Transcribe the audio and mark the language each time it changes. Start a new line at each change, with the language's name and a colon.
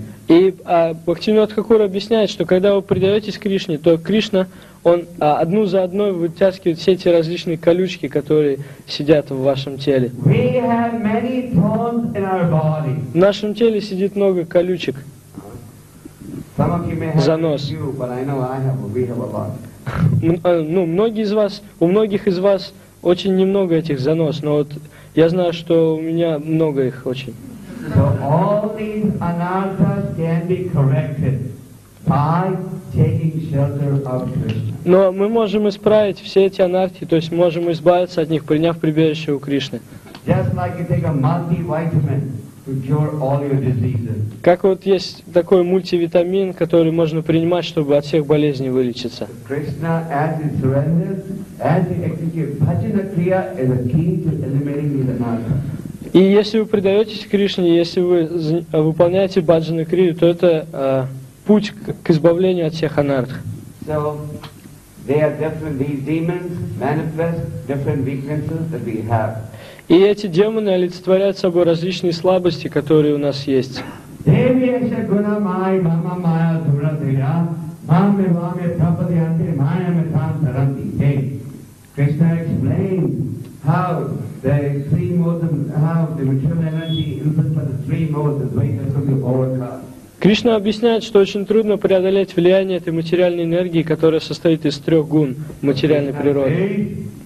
Russian: И Бхактивинода Тхакура объясняет, что когда вы предаетесь Кришне, то Кришна, он одну за одной вытаскивает все эти различные колючки, которые сидят в вашем теле.
English: We have many thorns in our body.
Russian: В нашем теле сидит много колючек.
English: Some of you may have
Russian: занос.
English: Few, but I know I have, we have a lot.
Russian: Ну, многие из вас, у многих из вас очень немного этих занос, но вот я знаю, что у меня много их очень.
English: So all these anarthas can be corrected by taking shelter of Krishna.
Russian: Но мы можем исправить все эти анархи, то есть можем избавиться от них, приняв прибежище у Кришны.
English: Just like you take a multivitamin to cure all your diseases.
Russian: Как вот есть такой мультивитамин, который можно принимать, чтобы от всех болезней вылечиться.
English: Krishna, as he surrenders, as he executes bhajana kriya, is a key to eliminating these anarthas.
Russian: И если вы предаетесь Кришне, если вы выполняете баджану крию, то это путь к избавлению от всех анартх.
English: So, they are different, these demons manifest different weaknesses that we have.
Russian: И эти демоны олицетворяют собой различные слабости, которые у нас есть.
Sanskrit: Девиеша гуна май мама мая дура дыра, маме маме прападе анте майя метан таранти.
English: Кришна explains how the three modes of, how the material energy influenced by the three modes of Dvaita can be overcome.
Russian: Кришна объясняет, что очень трудно преодолеть влияние этой материальной энергии, которая состоит из трех гун материальной природы.